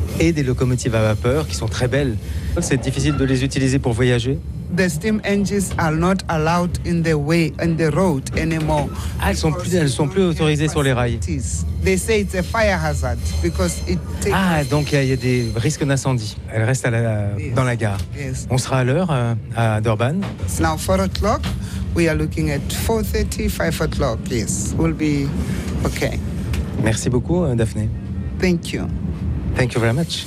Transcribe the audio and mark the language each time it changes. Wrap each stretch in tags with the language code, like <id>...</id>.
<fr>Et des locomotives à vapeur qui sont très belles. C'est difficile de les utiliser pour voyager?</fr> <en>the steam engines are not allowed in the way in the road anymore.</en> <fr>Elles sont plus autorisées sur les rails.</fr> <en>They say it's a fire hazard because it takes.</en> <fr>Ah, donc il y a des risques d'incendie. Elles restent dans la gare.</fr> <en>Yes.</en> <fr>On sera à l'heure à Durban.</fr> <en>It's now 4 o'clock. We are looking at 4:30, 5 o'clock. Yes, we'll be okay.</en> <fr>Merci beaucoup, Daphné.</fr> <en>Thank you. Thank you very much.</en>